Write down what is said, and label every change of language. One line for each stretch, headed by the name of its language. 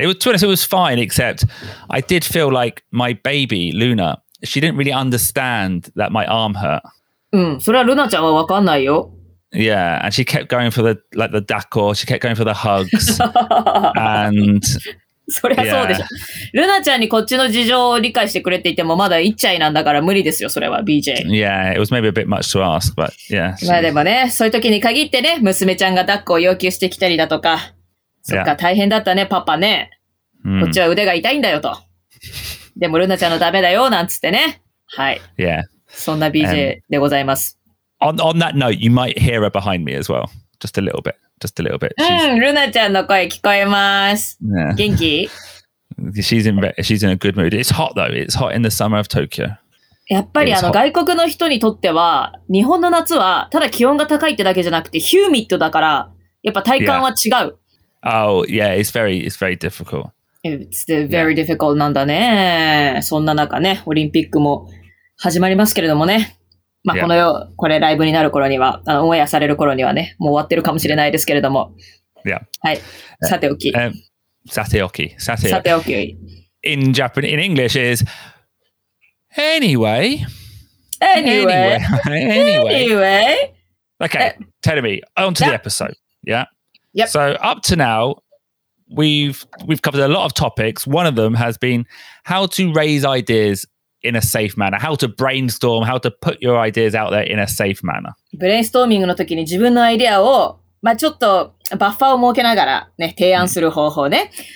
English: It was fine, except I did feel like my baby, Luna, she didn't really understand that my arm hurt.
Japanese: うん、それはルナちゃんは分かんないよ。
English: Yeah, and she kept going for the, like, the dako, she kept going for the hugs, and...
Japanese: そりゃそうでしょ。ルナちゃんにこっちの事情を理解してくれていても、まだ一ちゃいなんだから無理ですよ、それは、BJ。
English: Yeah, it was maybe a bit much to ask, but yeah.
Japanese: まあでもね、そういう時に限ってね、娘ちゃんが抱っこを要求してきたりだとか、そっか、大変だったね、パパね。こっちは腕が痛いんだよと。でもルナちゃんのダメだよ、なんつってね。はい。
English: Yeah.
Japanese: そんな BJ でございます。
English: On that note, you might hear her behind me as well. Just a little bit. Just a little bit.
Japanese: ルナちゃんの声聞こえます。
English: Yeah.
Japanese: 元気?
English: She's in a good mood. It's hot though. It's hot in the summer of Tokyo.
Japanese: やっぱりあの外国の人にとっては、日本の夏はただ気温が高いってだけじゃなくて、ヒューミッドだから、やっぱ体感は違う。
English: Yeah. Oh, yeah, it's very difficult. It's very difficult
Japanese: なんだね。そんな中ね、オリンピックも。始まりますけれどもね。まあ、このよう、これライブになる頃には、あの、オンエアされる頃にはね、もう終わってるかもしれないですけれども。 Yeah. はい。さておき。さておき。さておき。さておき。
English: In Japanese, in English is, anyway. Anyway. Anyway. Anyway. Okay, tell me, on to the episode. Yeah? Yep. So, up to now, we've covered a lot of topics. One of them has been how to raise ideas. In a safe manner, how to brainstorm, how to put your ideas out there in a safe manner.
Japanese: ブレインストーミングの時に自分のアイデアを、まあ、ちょっとバッファーを設けながら、ね、提案する方法ね。